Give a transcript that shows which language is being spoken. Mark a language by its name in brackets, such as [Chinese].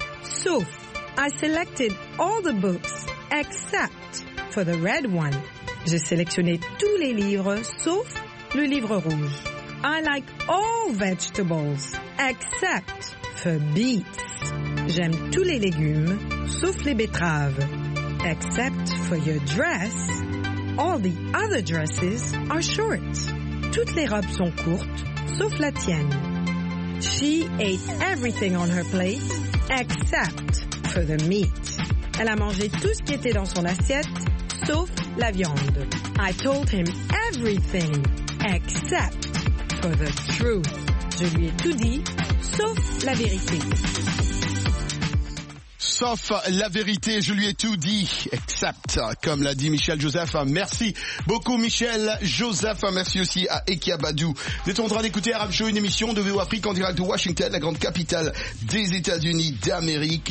[English] Sauf, I selected all the books except for the red one. [French] J'ai sélectionné tous les livres sauf le livre rouge. [English] I like all vegetables except for beets. [French] J'aime tous les légumes, sauf les betteraves. [English] Except for your dress, all the other dresses are short. [French] Toutes les robes sont courtes, sauf la tienne. [English] She ate everything on her plate, except for the meat. [French] Elle a mangé tout ce qui était dans son assiette, sauf la viande. [English] I told him everything, except for the truth. [French] Je lui ai tout dit, sauf la vérité. Sauf la vérité, je lui ai tout dit, except, comme l'a dit Michel Joseph. Merci beaucoup Michel Joseph, merci aussi à Ekia Badou. Vous êtes en train d'écouter Arab Show, une émission de VOA Afrique en direct de Washington, la grande capitale des États-Unis d'Amérique.